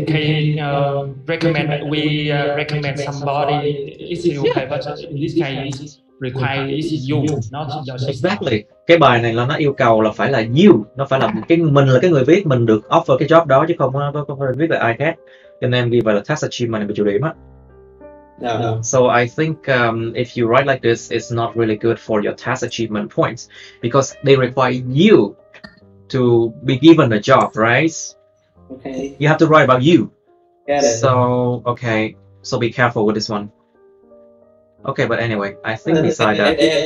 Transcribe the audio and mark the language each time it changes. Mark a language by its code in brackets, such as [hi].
[en] In case we recommend somebody, it's okay, yeah. But in this case, required is you, not your sister. Exactly. [vi] Cái bài này là nó yêu cầu là phải là you, nó phải là cái mình là cái người viết, mình được offer cái job đó chứ không phải viết là ai khác. Cho nên ghi vào là task achievement bị chủ điểm á. [en] No. So I think if you write like this, it's not really good for your task achievement points because they require you to be given a job, right? Okay. You have to write about you. Get it. So, okay. So be careful with this one. Okay, but anyway, I think beside that.